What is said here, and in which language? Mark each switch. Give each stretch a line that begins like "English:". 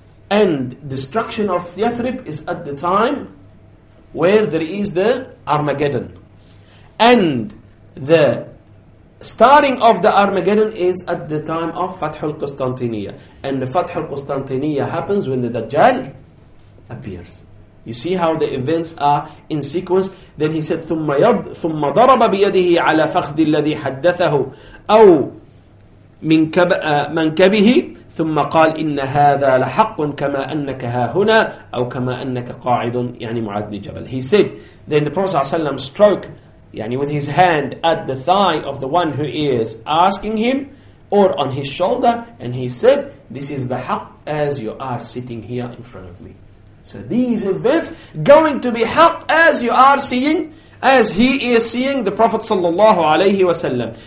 English: And destruction of Yathrib is at the time where there is the Armageddon. And the starting of the Armageddon is at the time of Fathul Qustantiniyah. And the Fathul Qustantiniyah happens when the Dajjal appears. You see how the events are in sequence. Then he said,
Arabic: ثُمَّ ضَرَبَ بِيَدِهِ عَلَى فَخْذِ الَّذِي حَدَّثَهُ أَوْ مِنْ مَنْكَبِهِ ثم قال إن هذا لحق كما أنك ها هنا أو كما أنك قاعد يعني معاذ بن جبل.
English: He said, then the Prophet ﷺ stroke, يعني with his hand at the thigh of the one who is asking him, or on his shoulder, and he said, this is the حق as you are sitting here in front of me. So these events going to be حق as you are seeing, as he is seeing the Prophet ﷺ.